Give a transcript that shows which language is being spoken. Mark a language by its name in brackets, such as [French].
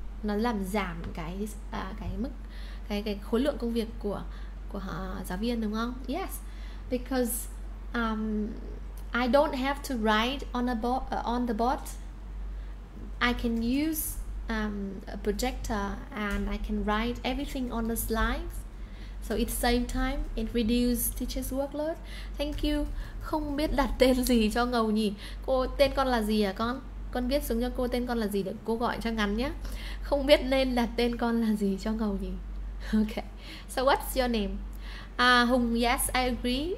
[Vietnamese] Nó làm giảm cái khối lượng công việc của giáo viên, đúng không? [English] Yes, because I don't have to write on the board. I can use a projector and I can write everything on the slides. So it save time, it reduce teacher's workload. Thank you. [Vietnamese] Không biết đặt tên gì cho ngầu nhỉ. Cô tên con là gì à con? Con viết xuống cho cô tên con là gì để cô gọi cho ngắn nhé. Không biết nên đặt tên con là gì cho ngầu nhỉ. [English] Okay. So what's your name? Hùng, yes, I agree.